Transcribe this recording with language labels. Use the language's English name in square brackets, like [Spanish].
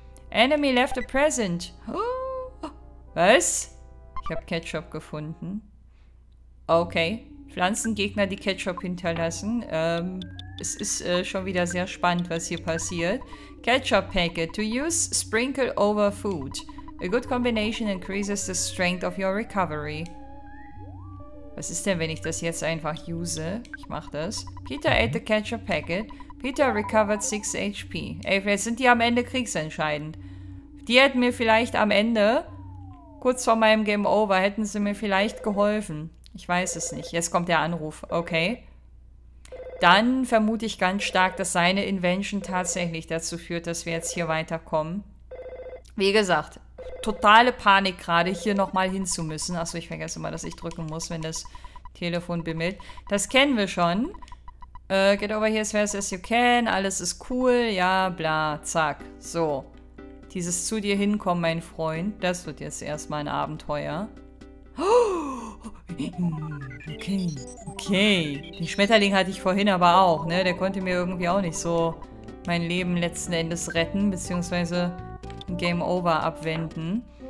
[English] Enemy left a present. Was? [German] Ich habe Ketchup gefunden. Okay. Pflanzengegner, die Ketchup hinterlassen. Es ist schon wieder sehr spannend, was hier passiert. [English] Ketchup Packet. To use, sprinkle over food. A good combination increases the strength of your recovery. [German] Was ist denn, wenn ich das jetzt einfach use? Ich mache das. [English] Peter ate the Ketchup Packet. Peter recovered 6 HP. [German] Ey, vielleicht sind die am Ende kriegsentscheidend. Die hätten mir vielleicht am Ende, kurz vor meinem Game Over, hätten sie mir vielleicht geholfen. Ich weiß es nicht. Jetzt kommt der Anruf. Okay. Dann vermute ich ganz stark, dass seine Invention tatsächlich dazu führt, dass wir jetzt hier weiterkommen. Wie gesagt, totale Panik gerade, hier nochmal hin zu müssen. Achso, ich vergesse immer, dass ich drücken muss, wenn das Telefon bimmelt. Das kennen wir schon. [English] Get over here as fast as you can. [German] Alles ist cool. Ja, bla, zack. So. Dieses zu dir hinkommen, mein Freund, das wird jetzt erstmal ein Abenteuer. Okay. Okay. Den Schmetterling hatte ich vorhin aber auch, ne? Der konnte mir irgendwie auch nicht so mein Leben letzten Endes retten, beziehungsweise ein Game Over abwenden.